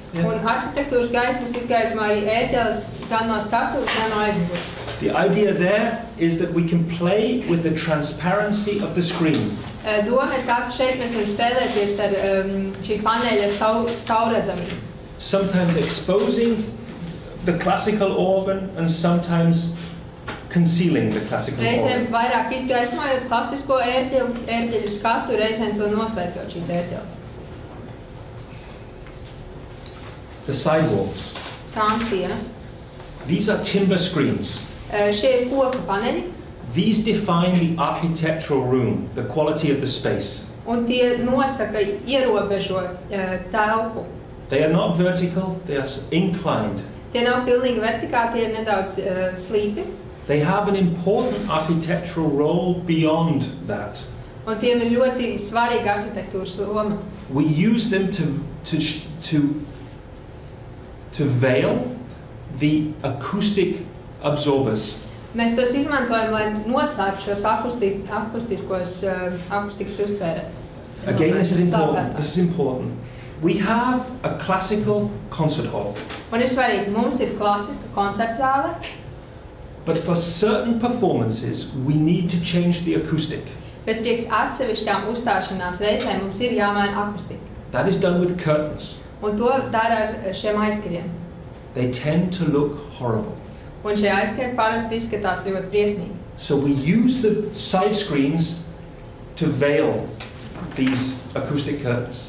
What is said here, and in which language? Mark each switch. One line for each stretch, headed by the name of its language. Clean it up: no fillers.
Latvian: Yeah. Un arhitektūras gaismas izgaismā arī ērķeles, gan no skatuves, gan no aizmugures.
English: The idea there is that we can play with the transparency of the screen.
Latvian: Doma ir tā, ka šeit mēs varam spēlēties ar šī paneļa caurredzamību.
English: Sometimes exposing the classical organ and sometimes concealing the classical organ.
Latvian: Reizēm vairāk izgaismojot klasisko ērģeļu skatu, reizēm to noslēpjot šīs ērģeles.
English: The sidewalls.
Latvian: Sām sienas.
English: These are timber screens.
Latvian: Šie ir koka paneļi.
English: These define the architectural room, the quality of the space.
Latvian: Un tie nosaka, ierobežo telpu.
English: They are not vertical, they are inclined.
Latvian: Tie nav pilnīgi vertikāli, tie ir nedaudz slīpi.
English: They have an important architectural role beyond that.
Latvian: Un tiem ir ļoti svarīga arhitektūras loma.
English: We use them to veil the acoustic absorbers.
Latvian: Mēs tos izmantojam, lai noslēptu šos akustikas uztvērēt.
English: Again, this is important. We have a classical concert hall.
Latvian: Un ir svarīgi, mums ir klasiska koncertzāle.
English: But for certain performances, we need to change the acoustic.
Latvian: Bet pieks atsevišķām uzstāšanās reizēm mums ir jāmaina akustika.
English: That is done with curtains.
Latvian: Un to dara ar šiem aizkariem.
English: They tend to look horrible.
Latvian: Un šie aizkari parasti izskatās ļoti briesmīgi.
English: So we use the side screens to veil these acoustic curtains.